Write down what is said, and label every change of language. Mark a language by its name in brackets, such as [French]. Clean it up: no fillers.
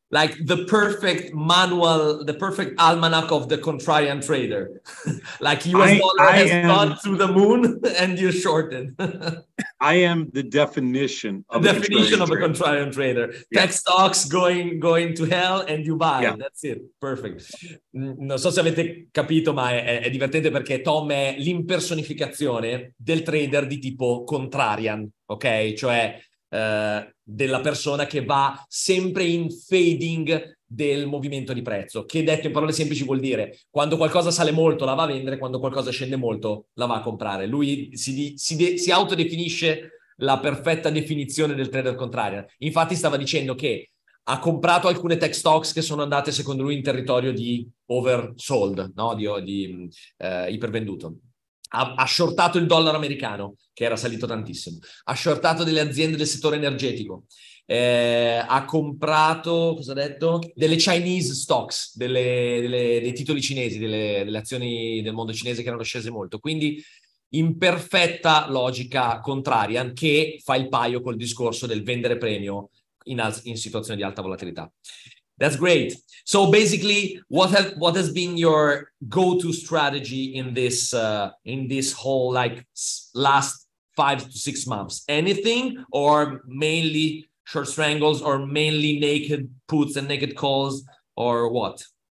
[English] Like the perfect manual, the perfect almanac of the contrarian trader. Like US dollar has gone to the moon and you're shorted. I am the definition of a contrarian trader. Yeah. Tech stocks going to hell and you buy. Yeah. That's it. Perfect. [Italian] Non so se avete capito, ma è divertente perché Tom è l'impersonificazione del trader di tipo contrarian, ok? Cioè della persona che va sempre in fading del movimento di prezzo, che detto in parole semplici vuol dire quando qualcosa sale molto la va a vendere, quando qualcosa scende molto la va a comprare. Lui si autodefinisce la perfetta definizione del trader contrarian. Infatti stava dicendo che ha comprato alcune [English] tech stocks [Italian] che sono andate secondo lui in territorio di oversold, no? di ipervenduto. Ha shortato il dollaro americano, che era salito tantissimo. Ha shortato delle aziende del settore energetico. Ha comprato, cosa ha detto? Delle [English] Chinese stocks, [Italian] dei titoli cinesi, delle azioni del mondo cinese che erano scese molto. Quindi, in perfetta logica contraria, che fa il paio col discorso del vendere premio in situazioni di alta volatilità. [English] That's great. So basically, what has been your go-to strategy in this whole last 5 to 6 months? Anything, or mainly short strangles, or mainly naked puts and naked calls, or what?